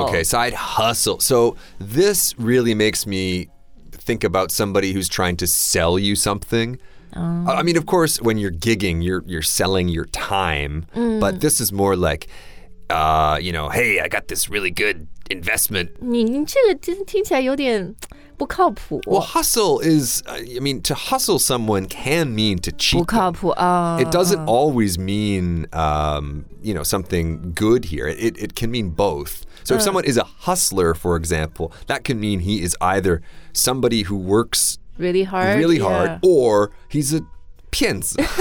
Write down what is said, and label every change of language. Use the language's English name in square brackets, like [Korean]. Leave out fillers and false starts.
[English] Okay, side hustle. So this really makes me think about somebody who's trying to sell you something. I mean, of course, when you're gigging, you're selling your time. But this is more like... you know, hey, I got this really good investment. [Chinese] 你这个真听起来有点不靠谱。 [English] Well, hustle is, I mean, to hustle someone can mean to cheat. [Chinese] 不靠谱啊。 [English] It doesn't always mean, you know, something good here. It can mean both. So if someone is a hustler, for example, that can mean he is either somebody who works really hard, really hard, or he's a 骗子。